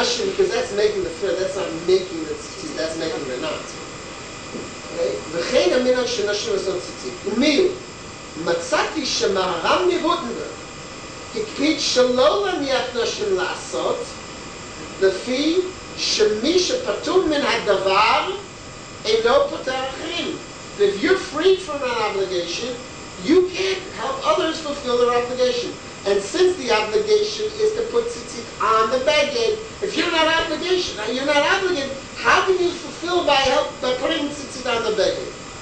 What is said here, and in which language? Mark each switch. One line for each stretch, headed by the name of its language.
English: Because that's making the thread, that's not making the tzitzit, that's making the knot.
Hebrew: וכן המינה של נשים עושות ציצית. ומי הוא? מצאתי שמהר"ם מרוטנברג הקפיד שלא להניח נשים לעשות לפי שמי שפטור מן הדבר אינו פוטר אחרים.
English: If you're freed from an obligation, you can't help others fulfill their obligation. And since the obligation is to put tzitzit on the bagging, if you're not obligation, you're not obligated, how can you fulfill by putting tzitzit on the bagging?